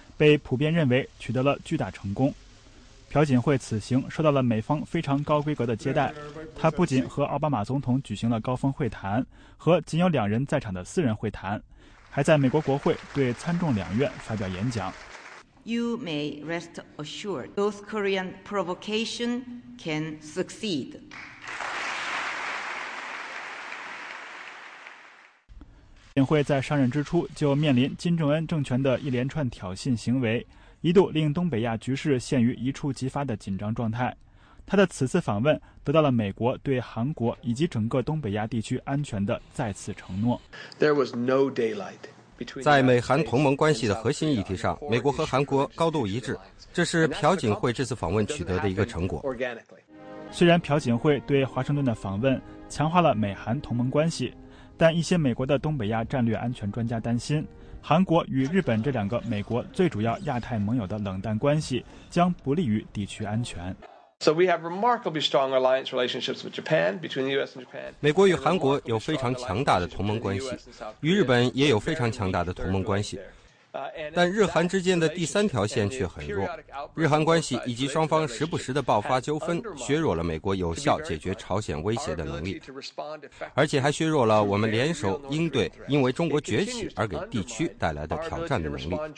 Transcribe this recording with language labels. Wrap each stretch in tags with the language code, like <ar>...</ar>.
<zh>被普遍认为取得了巨大成功。朴槿惠此行受到了美方非常高规格的接待，他不仅和奥巴马总统举行了高峰会谈和仅有两人在场的私人会谈，还在美国国会对参众两院发表演讲。</zh> <en>You may rest assured, North Korean provocation can succeed.</en> <zh>朴槿惠在上任之初就面临金正恩政权的一连串挑衅行为，一度令东北亚局势陷于一触即发的紧张状态。他的此次访问得到了美国对韩国以及整个东北亚地区安全的再次承诺。</zh> <en>There was no daylight.</en> <zh>在美韩同盟关系的核心议题上，美国和韩国高度一致，这是朴槿惠这次访问取得的一个成果。虽然朴槿惠对华盛顿的访问强化了美韩同盟关系，但一些美国的东北亚战略安全专家担心，韩国与日本这两个美国最主要亚太盟友的冷淡关系将不利于地区安全。</zh> <en>So we have remarkably strong alliance relationships with Japan, between the U.S. and Japan.</en> <zh>美国与韩国有非常强大的同盟关系，与日本也有非常强大的同盟关系。但日韩之间的第三条线却很弱，日韩关系以及双方时不时的爆发纠纷削弱了美国有效解决朝鲜威胁的能力，而且还削弱了我们联手应对因为中国崛起而给地区带来的挑战的能力。</zh>